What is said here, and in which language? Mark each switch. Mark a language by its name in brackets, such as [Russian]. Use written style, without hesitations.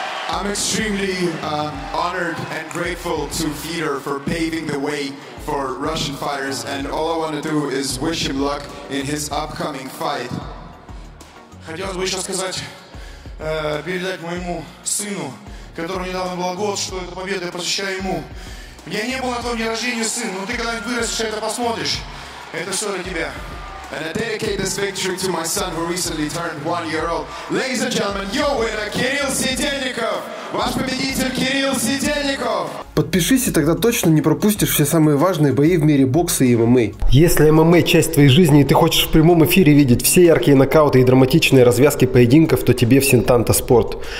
[English] I'm extremely honored and grateful to Fedor for paving the way for Russian fighters. And all I want to do is wish him luck in his upcoming fight. [Russian] Хотелось бы еще сказать, передать моему сыну, которому недавно был год, что эта победа я посвящаю ему. Я не был на твоем дне рождения, сын, но ты когда-нибудь вырастешь, это посмотришь. Это все для тебя. [English] And I dedicate this victory to my son, who recently turned 1 year old. Ladies and gentlemen, your winner, Кирилл Сидельников! [Russian] Ваш победитель Кирилл Сидельников! Подпишись, и тогда точно не пропустишь все самые важные бои в мире бокса и ММА. Если ММА – часть твоей жизни, и ты хочешь в прямом эфире видеть все яркие нокауты и драматичные развязки поединков, то тебе в Синтанта Спорт.